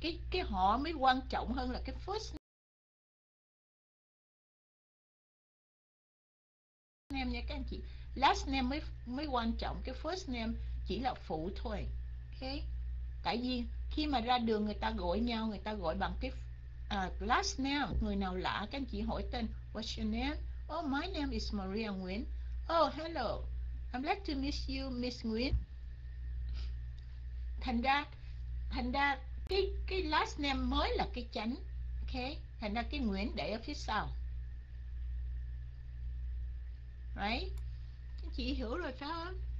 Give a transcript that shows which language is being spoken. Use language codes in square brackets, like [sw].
[vi] Cái họ mới quan trọng hơn là cái first name nha các anh chị. Last name mới mới quan trọng, cái first name chỉ là phụ thôi. Ok, tại vì khi mà ra đường người ta gọi nhau, người ta gọi bằng cái last name. Người nào lạ các anh chị hỏi tên, [en] what's your name? Oh, my name is Maria Nguyễn. Oh, hello, I'd like to meet you, Miss Nguyễn. [vi] Thành ra cái last name mới là cái chánh. Ok, thành ra cái Nguyễn để ở phía sau. Right, chị hiểu rồi phải không?